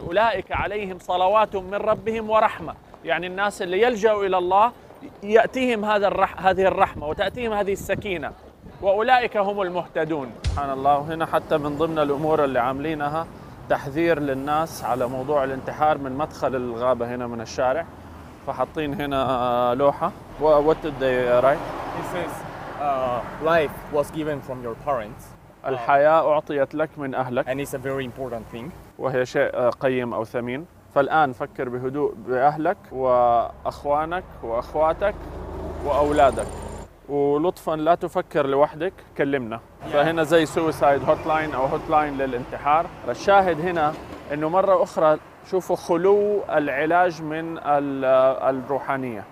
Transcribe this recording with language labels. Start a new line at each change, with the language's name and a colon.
Arabic: أولئك عليهم صلوات من ربهم ورحمة. يعني الناس اللي يلجأوا إلى الله يأتيهم هذه الرحمة وتأتيهم هذه السكينة، وأولئك هم المهتدون. سبحان الله. وهنا حتى من ضمن الأمور اللي عاملينها تحذير للناس على موضوع الانتحار من مدخل الغابة هنا من الشارع، فحطين هنا لوحة.
English: What did they write? It says, life was given from your parents.
Arabic: الحياة أعطيت لك من أهلك.
English: And it's a very important thing.
Arabic: وهي شيء قيم أو ثمين. فالآن فكر بهدوء بأهلك وأخوانك وأخواتك وأولادك، ولطفاً لا تفكر لوحدك، كلمنا. فهنا زي suicide hotline أو hotline للانتحار. الشاهد هنا أنه مرة أخرى شوفوا خلو العلاج من الروحانية.